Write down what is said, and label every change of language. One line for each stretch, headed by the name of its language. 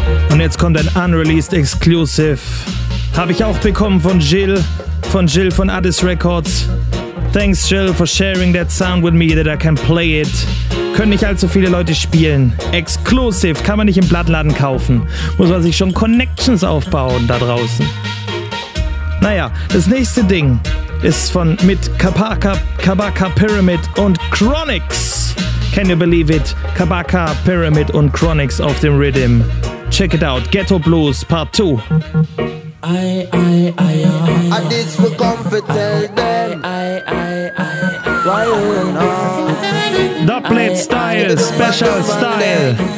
German: Und jetzt kommt ein Unreleased Exclusive. Habe ich auch bekommen von Jill. Von Jill von Addis Records.
English: Thanks Jill for sharing that sound with me that I can play it.
German: Können nicht allzu viele Leute spielen. Exclusive kann man nicht im Plattenladen kaufen. Muss man sich schon Connections aufbauen da draußen. Naja, das nächste Ding ist von mit Kabaka, Kabaka Pyramid und Chronix.
English: Can you believe it?
German: Kabaka, Pyramid und Chronix auf dem Rhythm.
English: Check it out. Ghetto Blues Part 2. Addis, we come for tell them. Why you know? Doublet style, special style.